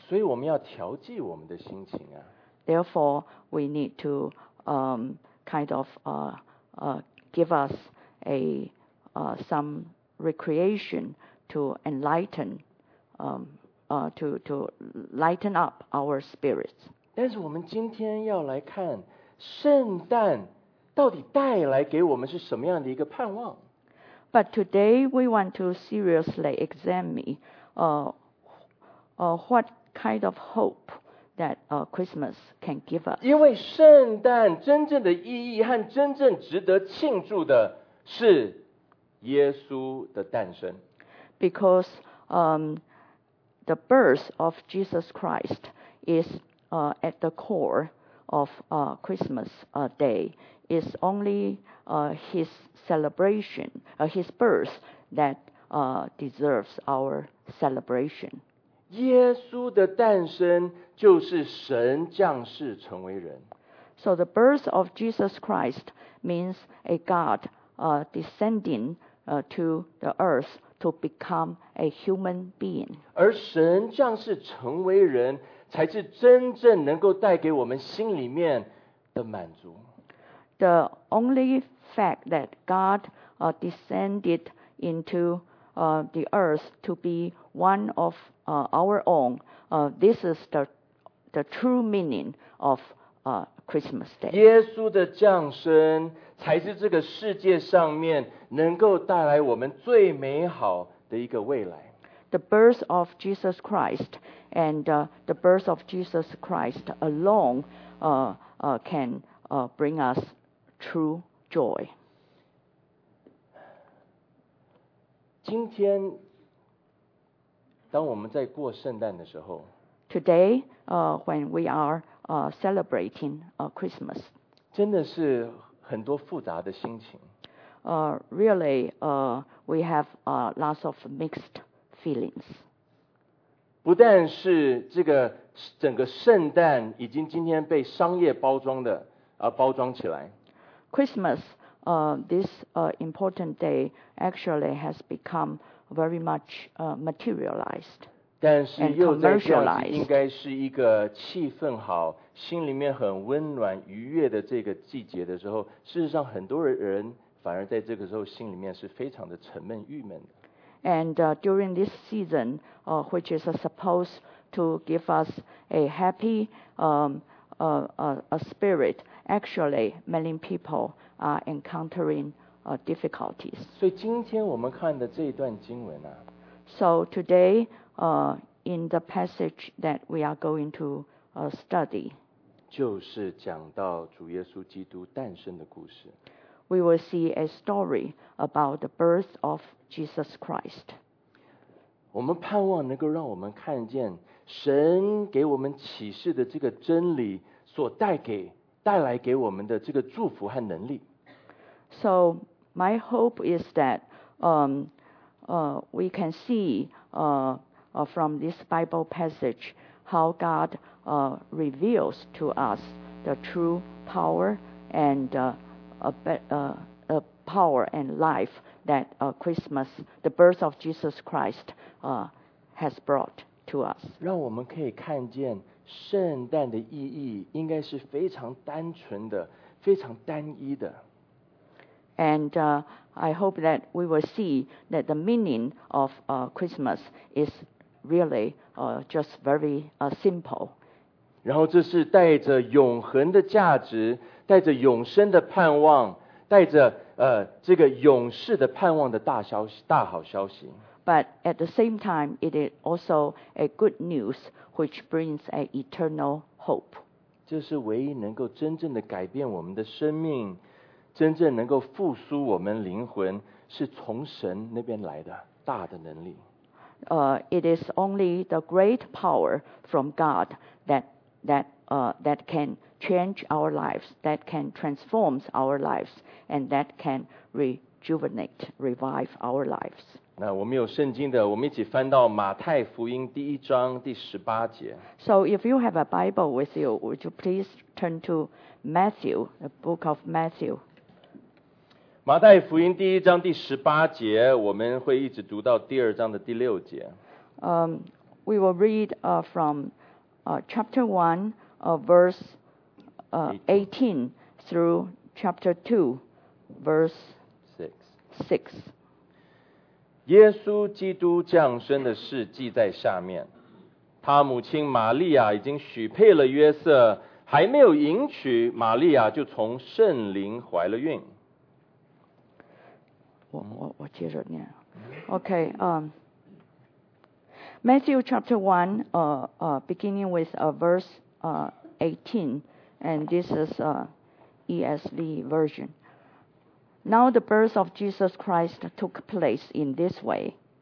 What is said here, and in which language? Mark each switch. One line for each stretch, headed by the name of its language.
Chinese: 所以我们要调剂我们的心情啊。
English: Therefore, we need to kind of give us some recreation to enlighten, to lighten up our spirits.
Chinese: 但是我们今天要来看圣诞到底带来给我们是什么样的一个盼望。
English: But today we want to seriously examine, what kind of hope. That Christmas can give us.
Chinese: 因为圣诞真正的意义和真正值得庆祝的是耶稣的诞生。
English: Because the birth of Jesus Christ is at the core of Christmas day. It's only his celebration, his birth that deserves our celebration.
Chinese: 耶稣的诞生就是神降世成为人。
English: So the birth of Jesus Christ means a God descending to the earth to become a human being.
Chinese: 而神降世成为人才是真正能够带给我们心里面的满足。
English: The only fact that God descended into the earth to be one ofour own, this is the true meaning of Christmas Day.
Chinese: 耶稣的降生才是这个世界上面能够带来我们最美好的一个未来。
English: The birth of Jesus Christ and the birth of Jesus Christ alone can bring us true joy.
Chinese: 今天，当我们在过圣诞的时候
English: ，Today, when we are celebrating Christmas,
Chinese: 真的是很多复杂的心情。
English: Really, we have lots of mixed feelings.
Chinese: 不但是这个整个圣诞已经今天被商业包装的包装起来。
English: Christmas, this important day actually has become very much materialized.
Chinese: 但是又在这样子应该是一个气氛好，心里面很温暖愉悦的这个季节的时候，事实上很多人反而在这个时候心里面是非常的沉闷郁闷的。
English: And during this season, which is supposed to give us a happy a spirit, actually many people are encountering difficulties.
Chinese: 所以今天我们看的这一段经文啊。
English: So today, in the passage that we are going to study,
Chinese: 就是讲到主耶稣基督诞生的故事。
English: We will see a story about the birth of Jesus Christ.
Chinese: 我们盼望能够让我们看见神给我们启示的这个真理所带来给我们的这个祝福和能力。
English: So my hope is that we can see from this Bible passage how God reveals to us the true power and a power and life that Christmas, the birth of Jesus Christ, has brought to us.
Chinese: 让我们可以看见圣诞的意义应该是非常单纯的，非常单一的。
English: And I hope that we will see that the meaning of Christmas is really just very simple.
Chinese: 然后这是带着永恒的价值，带着永生的盼望，带着这个永世的盼望的大消息，大好消息。
English: But at the same time, it is also a good news which brings an eternal hope.
Chinese: 这是唯一能够真正的改变我们的生命，真正能够复苏我们灵魂，是从神那边来的大的能力。
English: It is only the great power from God that can change our lives, that can transform our lives, and that can rejuvenate, revive our lives.
Chinese: 那我们有圣经的，我们一起翻到马太福音第一章第十八节。
English: So if you have a Bible with you, would you please turn to Matthew, the book of Matthew?
Chinese: 马太福音第一章第十八节，我们会一直读到第二章的第六节。
English: We will read from chapter 1, verse 18 through chapter 2, verse 6.
Chinese: 耶稣基督降生的事记在下面，他母亲玛利亚已经许配了约瑟，还没有迎娶，玛利亚就从圣灵怀了孕。我接着念。
English: OK, Matthew chapter 1, beginning with verse 18, and this is ESV version. Now the birth of Jesus Christ took place in this way.